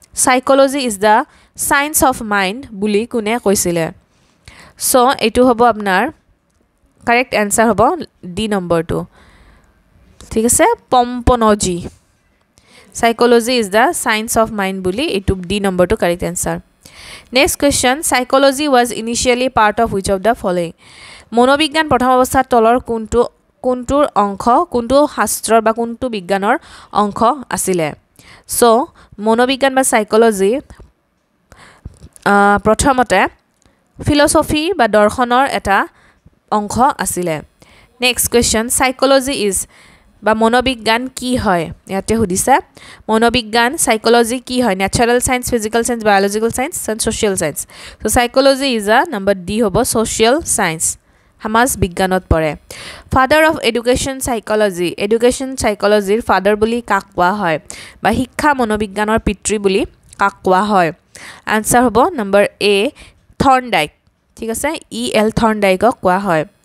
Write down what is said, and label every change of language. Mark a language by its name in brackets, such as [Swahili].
[English] psychology is the science of mind [Assamese] বুলি কোনে কৈছিলে? চ' এইটো হ'ব আপোনাৰ কাৰেক্ট এনচাৰ হ'ব ডি নম্বৰটো। ঠিক আছে, পম্পনজি, [English] psychology is the science of mind [Assamese] বুলি, এইটো ডি নম্বৰটো correct answer. [English] Next question, psychology was initially part of which of the following. [Assamese] মনোবিজ্ঞান প্ৰথম অৱস্থাত তলৰ কোনটোৰ অংশ, কোনটো শাস্ত্ৰৰ বা কোনটো বিজ্ঞানৰ অংশ আছিলে? চ' মনোবিজ্ঞান বা চাইক'লজি প্ৰথমতে ফিলচফি বা দৰ্শনৰ এটা অংশ আছিলে। নেক্সট কুৱেশ্যন, চাইক'লজি ইজ বা মনোবিজ্ঞান কি হয়? ইয়াতে সুধিছে মনোবিজ্ঞান চাইক'লজি কি হয়? Natural science, physical science, biological science and social science. So psychology is a number D হ'ব, ছ'চিয়েল চায়েন্স, সমাজ বিজ্ঞানত পৰে। [English] father of education psychology, [Assamese] education চাইক'লজিৰ father বুলি কাক কোৱা হয় বা শিক্ষা মনোবিজ্ঞানৰ পিতৃ বুলি কাক কোৱা হয়? আনচাৰ হ'ব নম্বৰ এ, থৰ্ণডাইক। ঠিক আছে, ই এল থৰ্ণডাইকক কোৱা হয়।